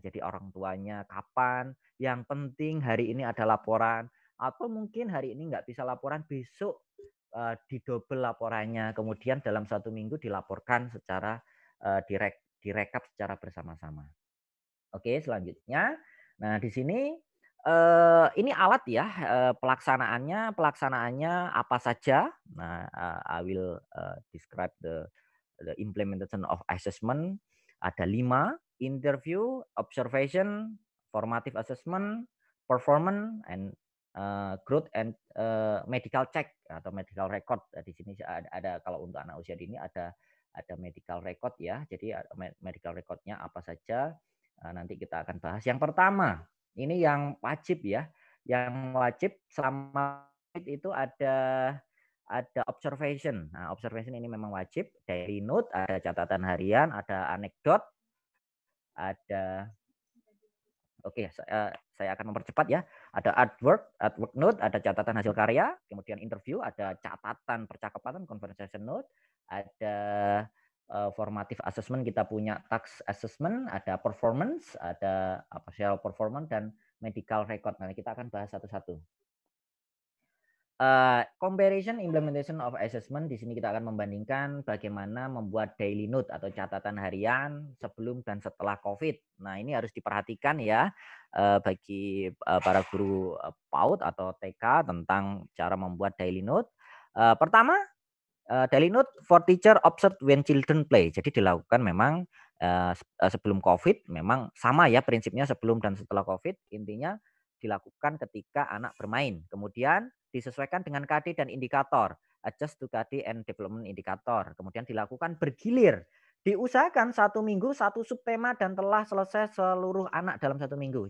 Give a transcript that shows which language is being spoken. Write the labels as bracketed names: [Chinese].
[Indonesian] Jadi orang tuanya kapan, yang penting hari ini ada laporan, atau mungkin hari ini nggak bisa laporan, besok didobel laporannya, kemudian dalam satu minggu dilaporkan secara direkap secara bersama-sama. Oke, selanjutnya, nah di sini ini alat ya, pelaksanaannya apa saja. [English] Nah, I will describe the implementation of assessment. [Indonesian] Ada 5: interview, observation, formative assessment, performance, and growth and medical check atau medical record. Di sini ada kalau untuk anak usia dini ada medical record ya. Jadi medical record-nya apa saja nanti kita akan bahas. Yang pertama, ini yang wajib ya. Yang wajib selama itu ada ada observation. Nah, observation ini memang wajib. Diary note, ada catatan harian, ada anekdot, ada... Oke, saya akan mempercepat ya. Ada adverb note, ada catatan hasil karya, kemudian interview, ada catatan percakapan, conversation note, ada formative assessment, kita punya task assessment, ada performance, ada official performance, dan medical record. Nanti kita akan bahas satu-satu. [English] Comparison implementation of assessment, [Indonesian] di sini kita akan membandingkan bagaimana membuat daily note atau catatan harian sebelum dan setelah COVID. Nah, ini harus diperhatikan ya bagi para guru PAUD atau TK tentang cara membuat daily note. [English] Pertama, daily note for teacher observed when children play. [Indonesian] Jadi dilakukan memang sebelum COVID, memang sama ya prinsipnya sebelum dan setelah COVID. Intinya dilakukan ketika anak bermain. Kemudian disesuaikan dengan KD dan indikator, [English] adjust to KD and development indikator. [Indonesian] Kemudian dilakukan bergilir, diusahakan satu minggu satu subtema dan telah selesai seluruh anak dalam satu minggu.